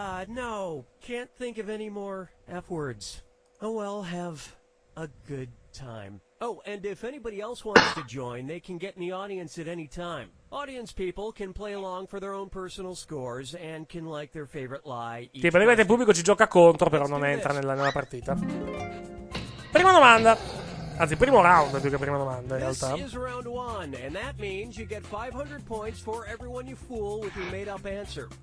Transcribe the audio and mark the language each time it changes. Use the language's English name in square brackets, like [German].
[English] No, can't think of any more F-words. Oh well, have a good time. Oh, and if anybody else wants to join, they can get in the audience at any time. Audience people can play along for their own personal scores and can like their favorite lie. [Italian] Sì, praticamente il pubblico ci gioca contro, però non entra nella partita. Prima domanda. Anzi, primo round più che prima domanda, in realtà. [English] This is round one, and that means you get 500 points for everyone you fool with your made-up answer.